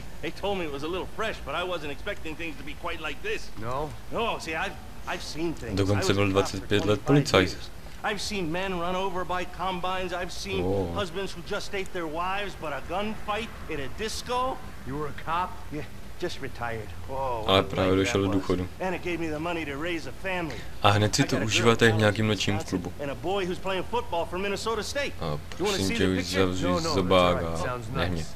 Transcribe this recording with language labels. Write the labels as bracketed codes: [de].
[en] They told me it was a little fresh, but I wasn't expecting things to be quite like this. No. No, see, I've seen things. [cs] Dokonce byl 25 let policajt. [en] I've seen men run over by combines, I've seen husbands who just ate their wives, but a gunfight in a disco? You were a cop? Yeah, just retired. [cs] Ale právě došel do důchodu. [en] And it gave me the money to raise a family. [cs] A hned si to užíváte v nějakým nočním klubu. [en] And a boy who's playing football for Minnesota State. [cs] Prosím tě, už zavřít zobák a nehně.